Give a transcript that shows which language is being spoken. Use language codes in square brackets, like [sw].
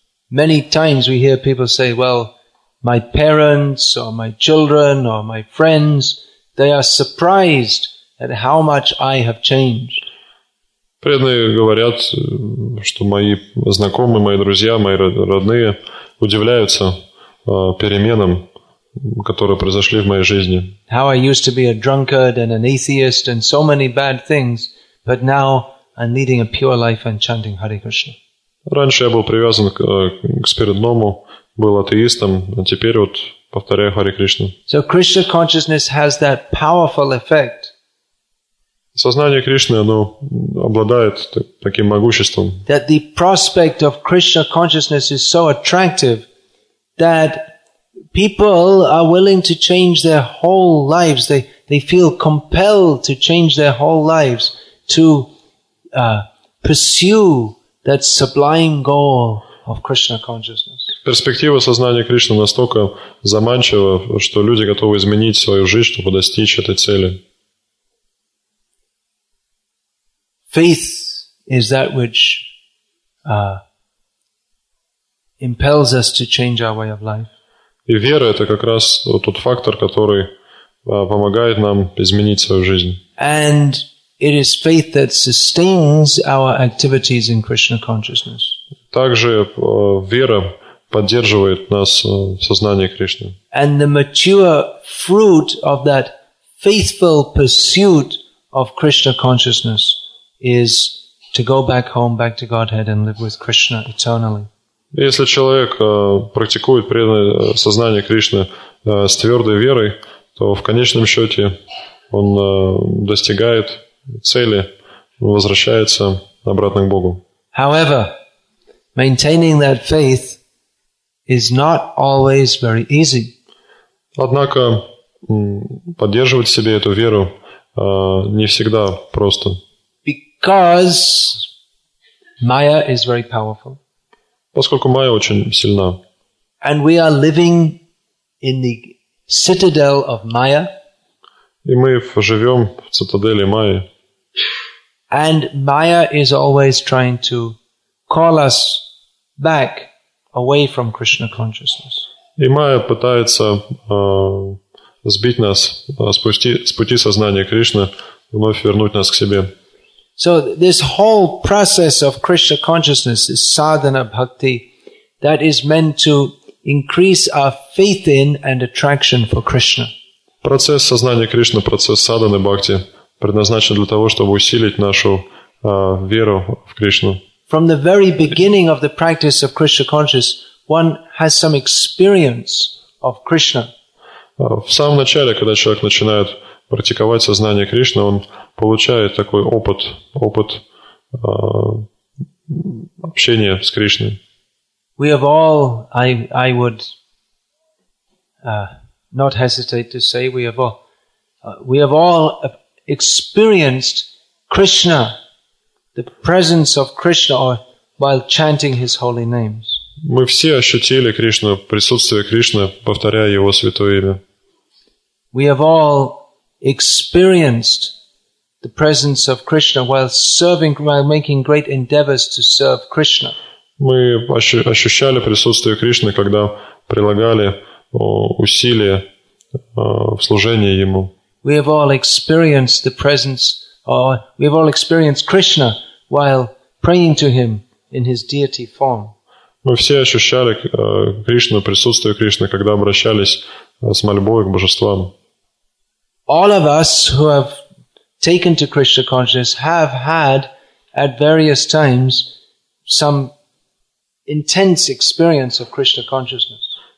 [en] Many times we hear people say, well, my parents or my children or my friends, they are surprised at how much I have changed. [ru] Преданные говорят, что мои знакомые, мои друзья, мои родные удивляются переменам, которые произошли в моей жизни. [en] How I used to be a drunkard and an atheist and so many bad things, but now and leading a pure life and chanting Hare Krishna. [ru] Раньше я был привязан к спиртному, был атеистом, а теперь вот повторяю Харе Кришну. [en] So Krishna consciousness has that powerful effect. [ru] Сознание Кришны, оно обладает таким могуществом. [en] That the prospect of Krishna consciousness is so attractive that people are willing to change their whole lives. They feel compelled to change their whole lives to pursue that sublime goal of Krishna consciousness. [ru] Перспектива сознания Кришны настолько заманчива, что люди готовы изменить свою жизнь, чтобы достичь этой цели. [en] Faith is that which impels us to change our way of life. [ru] И вера это как раз тот фактор, который помогает нам изменить свою жизнь. [en] And it is faith that sustains our activities in Krishna consciousness. [ru] Также вера поддерживает нас в сознании Кришны. [en] And the mature fruit of that faithful pursuit of Krishna consciousness is to go back home, back to Godhead, and live with Krishna eternally. [ru] Если человек практикует преданное сознание Кришны с твердой верой, то в конечном счете он достигает цели, возвращается обратно к Богу. [en] However, maintaining that faith is not always very easy. [ru] Однако поддерживать в себе эту веру не всегда просто. [en] Because Maya is very powerful. [ru] Поскольку Майя очень сильна. [en] And we are living in the citadel of Maya. [ru] И мы живем в цитадели Майи. [en] And Maya is always trying to call us back away from Krishna consciousness. [ru] И Майя пытается сбить нас с пути сознания Кришны, вновь вернуть нас к себе. [en] So this whole process of Krishna consciousness, this sadhana bhakti, that is meant to increase our faith in and attraction for Krishna. [ru] Процесс сознания Кришны, процесс садханы бхакти, предназначен для того, чтобы усилить нашу веру в Кришну. [en] From the very beginning of the practice of Krishna consciousness, one has some experience of Krishna. [ru] В самом начале, когда человек начинает практиковать сознание Кришны, он получает такой опыт общения с Кришной. [en] We have all, I would not hesitate to say, we have all experienced Krishna, the presence of Krishna, while chanting His holy names. [ru] Мы все ощутили Кришну, присутствие Кришны, повторяя Его святое имя. [en] We have all experienced the presence of Krishna while serving, while making great endeavors to serve Krishna. [ru] Мы ощущали присутствие Кришны, когда прилагали усилия в служении Ему. [en] We have all experienced the presence, or we have all experienced Krishna while praying to Him in His deity form. [ru] Мы все ощущали Кришну, присутствие Кришны, когда обращались с мольбой к божествам. [en] All of us who have taken to Krishna consciousness have had at various times some intense experience of Krishna consciousness.